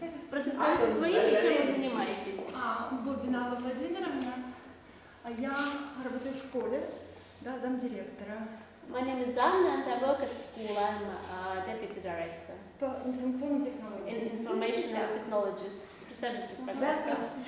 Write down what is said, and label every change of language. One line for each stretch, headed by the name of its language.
Russian: Просто скажите свои имя, чем вы занимаетесь? Бубинала Владимировна. Я работаю в школе, да, замдиректора.
English: My name is Anna and I work at school. I'm deputy director.
Russian: По информационным технологиям.
English: Information technologies.
Russian: Присаживайтесь, пожалуйста.